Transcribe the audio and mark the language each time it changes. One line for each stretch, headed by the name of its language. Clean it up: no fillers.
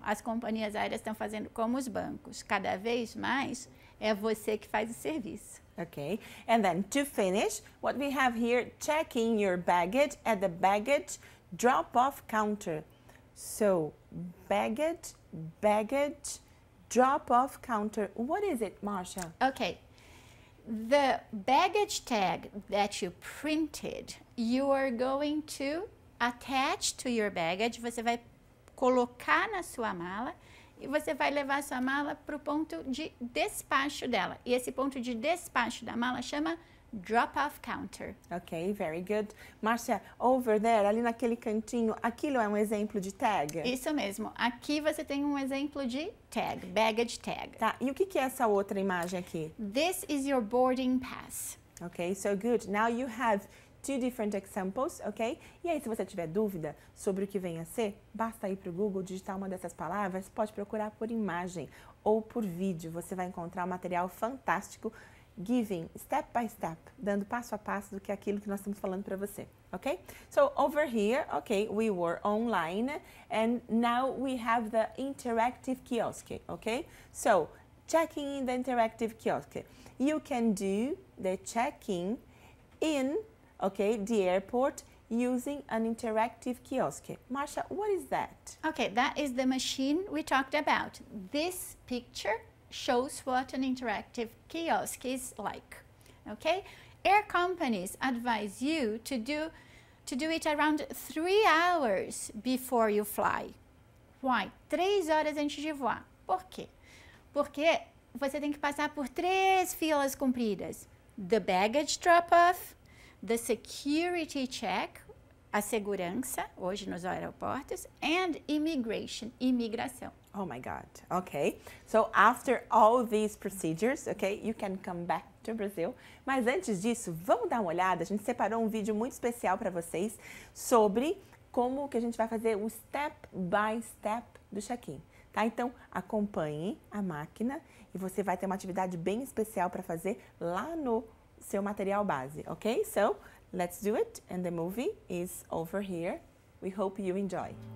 Portuguese: As companhias aéreas estão fazendo como os bancos. Cada vez mais é você que faz o serviço.
English: Okay. And then to finish, what we have here, checking your baggage at the baggage drop-off counter. So, baggage drop-off counter. What is it, Marcia? Okay. The baggage tag that you printed, you are going to attach to your baggage.
Portuguese: Você vai colocar na sua mala e você vai levar a sua mala para o ponto de despacho dela. E esse ponto de despacho da mala chama drop-off counter.
English: Ok, very good. Marcia, over there,
Portuguese: ali naquele cantinho, aquilo é um exemplo de tag? Isso mesmo. Aqui você tem um exemplo de tag, baggage tag. Tá, e o que é essa outra imagem aqui?
English: This is your boarding pass. Ok, so good. Now you have two different examples, ok?
Portuguese: E aí, se você tiver dúvida sobre o que vem a ser, basta ir para o Google, digitar uma dessas palavras, pode procurar por imagem ou por vídeo. Você vai encontrar um material fantástico,
English: giving step by step,
Portuguese: dando passo a passo do que aquilo que nós estamos falando para você, ok?
English: So, over here, ok, we were online, and now we have the interactive kiosk, ok? So, checking in the interactive kiosk. You can do the checking in, okay, the airport using an interactive kiosk. Marcia, what is that? Okay, that is the machine we talked about. This picture shows what an interactive kiosk is like. Okay, air companies advise you to do it around 3 hours before you fly. Why?
Portuguese: 3 horas antes de voar. Por quê? Porque você tem que passar por 3 filas compridas.
English: The baggage drop-off, the security check,
Portuguese: a segurança, hoje nos aeroportos,
English: and immigration, imigração. Oh my God, okay. So after all these procedures, okay, you can come back to Brazil.
Portuguese: Mas antes disso, vamos dar uma olhada, a gente separou um vídeo muito especial para vocês sobre como que a gente vai fazer o step by step do check-in. Tá, então acompanhe a máquina e você vai ter uma atividade bem especial para fazer lá no seu material base, ok?
English: So, let's do it, and the movie is over here. We hope you enjoy.